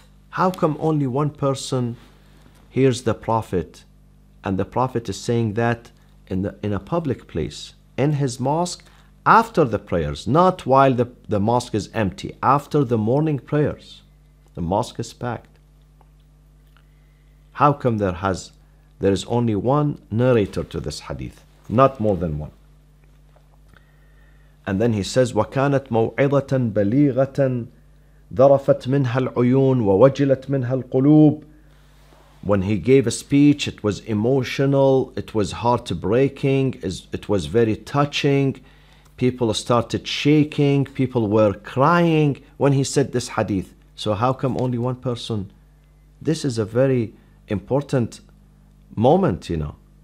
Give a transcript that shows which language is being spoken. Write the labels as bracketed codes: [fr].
[en] How come only one person hears the Prophet and the Prophet is saying that in a public place, in his mosque, after the prayers, not while the mosque is empty, after the morning prayers, the mosque is packed. How come there is only one narrator to this hadith, not more than one? And then he says, [ar] وَكَانَتْ مَوْعِظَةً بَلِيغَةً ذَرَفَتْ مِنْهَا الْعُيُونَ وَوَجِلَتْ مِنْهَا الْقُلُوبِ. [en] When he gave a speech, it was emotional, it was heartbreaking, it was very touching. People started shaking, people were crying when he said this hadith. So how come only one person? This is a very important moment, you know.